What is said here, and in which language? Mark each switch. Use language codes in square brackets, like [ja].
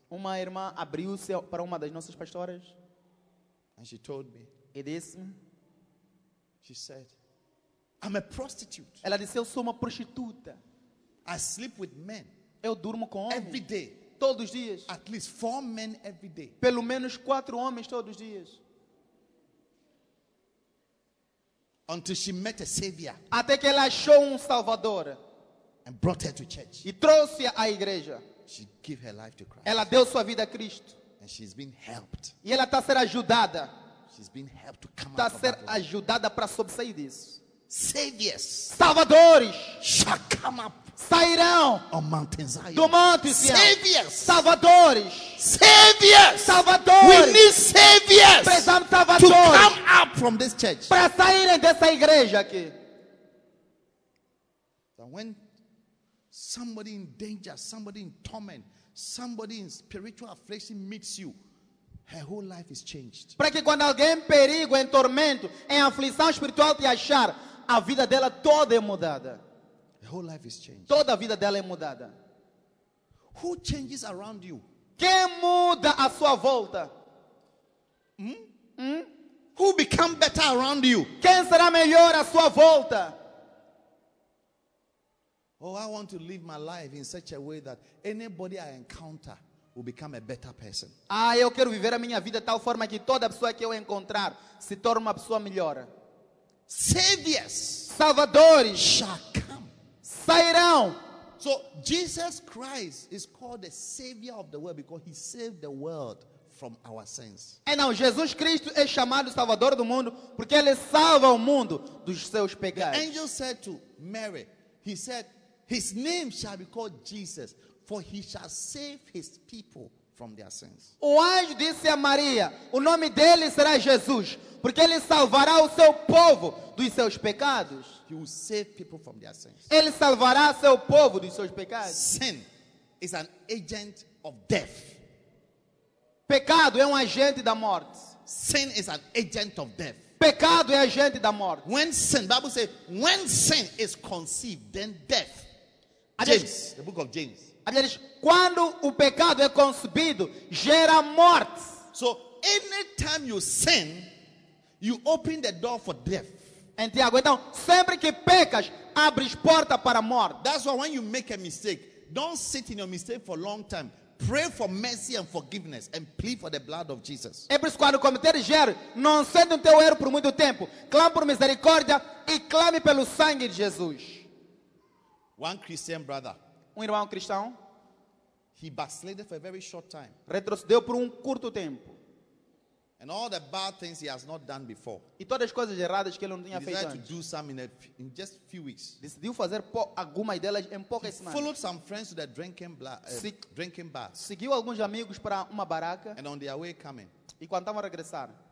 [pt] Uma irmã abriu-se para uma das nossas pastoras. [en] And she told me. [pt] E disse. [en] She said, I'm a prostitute. [pt] Ela disse, eu sou uma prostituta. [en] I sleep with men. [pt] Eu durmo com homens. [en] Every day. [pt] Todos os dias. [en] At least four men every day. [pt] Pelo menos quatro homens todos os dias. [en] Until she met a savior. [pt] Até que ela achou salvador. [en] And brought her to church. [pt] E trouxe-a à igreja. [en] She gave her life to Christ. [pt] Ela deu sua vida a Cristo. [en] And she's been helped. [pt] E ela está sendo ajudada. [en] She's been helped to come [pt] tá [en] out [pt] ser ajudada para sobressair disso. [en] Saviors. [pt] Salvadores. [en] Shall come up. [pt] Sairão. [en] On Mount Zion. [pt] Do Monte Sião. [en] Saviors. [pt] Salvadores. [en] Saviors. [pt] Salvadores. [en] We need saviors. [pt] Precisamos salvadores. [en] To come up from this church. [pt] Para saírem dessa igreja aqui. [en] But when somebody in danger, somebody in torment, somebody in spiritual affliction meets you, her whole life is changed. [pt] Para que quando alguém em perigo, em tormento, em aflição espiritual te achar, a vida dela toda é mudada. [en] Her whole life is changed. [pt] Toda a vida dela é mudada. [en] Who changes around you? [pt] Quem muda à sua volta? [en] Who become better around you? [pt] Quem será melhor à sua volta? [en] Oh, I want to live my life in such a way that anybody I encounter will become a better person. [pt] Ah, eu quero viver a minha vida tal forma que toda pessoa que eu encontrar se torne uma pessoa melhor. [en] Saviors, [pt] salvadores, [en] shall come. [pt] Sairão. [en] So Jesus Christ is called the savior of the world because he saved the world from our sins. [pt] É não, Jesus Cristo é chamado salvador do mundo porque ele salva o mundo dos seus pecados. [en] The angel said to Mary, he said, his name shall be called Jesus, for he shall save his people from their sins. [pt] O anjo disse a Maria, o nome dele será Jesus, porque ele salvará o seu povo dos seus pecados. [en] He will save people from their sins. [pt] Ele salvará seu povo dos seus pecados. [en] Sin is an agent of death. [pt] Pecado é um agente da morte. [en] Sin is an agent of death. [pt] Pecado é agente da morte. [en] When sin, Bible says, when sin is conceived, then death. James, the book of James. [pt] Aliás, quando o pecado é concebido, gera morte. [en] So anytime you sin, you open the door for death. [pt] Entiago, então, sempre que pecas, abres porta para a morte. [en] That's why when you make a mistake, don't sit in your mistake for a long time. Pray for mercy and forgiveness and plead for the blood of Jesus. [pt] É por isso quando cometeres erro, não sente o teu erro por muito tempo. Clame por misericórdia e clame pelo sangue de Jesus. [en] One Christian brother. [pt] Um irmão cristão. [en] He backslided for a very short time. [pt] Retrocedeu por curto tempo. [en] And all the bad things he has not done before. [pt] E todas as coisas erradas que ele não tinha feito antes. [en] Decided to do some in just a few weeks. [pt] Decidiu fazer algumas delas em poucas semanas. [en] Followed some friends to the drinking bar. [pt] Seguiu alguns amigos para uma baraca. [en] And on their way coming. [pt] E quando estavam a regressar.